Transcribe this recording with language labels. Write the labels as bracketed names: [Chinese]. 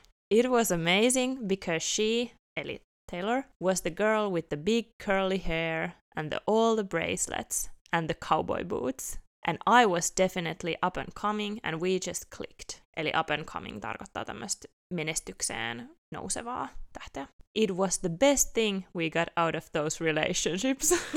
[English] It was amazing because she, [Finnish] eli Taylor, [English] was the girl with the big curly hair and all the bracelets and the cowboy boots. And I was definitely up and coming and we just clicked. [Finnish] Eli [English] up and coming [Finnish] tarkoittaa tämmöistä menestykseen nousevaa tähteä. [English] It was the best thing we got out of those relationships.